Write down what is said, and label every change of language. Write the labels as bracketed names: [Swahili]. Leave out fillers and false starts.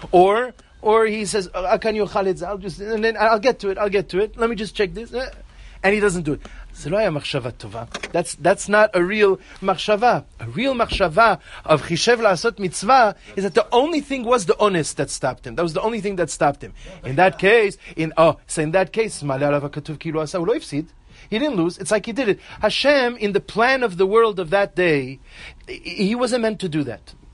[English] Or he says, akan yochal etzeh, I'll just, and then I'll get to it, let me just check this, and he doesn't do it. [Hebrew] זה לא היה מחשבה טובה. That's not a real מחשבה. [English] A real מחשבה of חישב לעשות מצווה is that the only thing was the honest that stopped him. That was the only thing that stopped him. [Hebrew] In that case, מעלה עליו הכתוב כאילו עשה, הוא לא הפסיד. [English] He didn't lose. It's like he did it. Hashem, in the plan of the world of that day, he wasn't meant to do that.